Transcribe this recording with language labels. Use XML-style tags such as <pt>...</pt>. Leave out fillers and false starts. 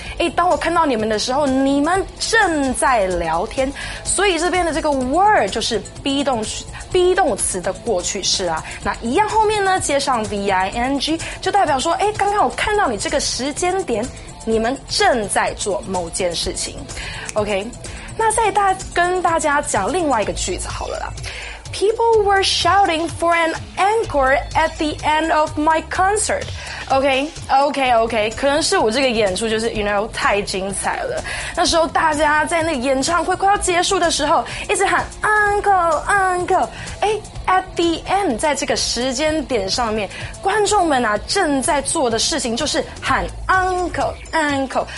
<zh>哎，当我看到你们的时候，你们正在聊天，所以这边的这个 were 就是 be 动词的过去式啊。那一样后面呢接上 ving， 就代表说，哎，刚刚我看到你这个时间点，你们正在做某件事情。 OK， 那再跟大家讲另外一个句子好了啦。</zh> <en>People were shouting for an encore at the end of my concert.</en> <zh>Okay. 可能是我这个演出就是</zh> <en>you know</en> <zh>太精彩了。那时候大家在那个演唱会快要结束的时候，一直喊 Uncle. 哎 ，</zh> <en>at the end，</en> <zh>在这个时间点上面，观众们啊正在做的事情就是喊 Uncle.</zh>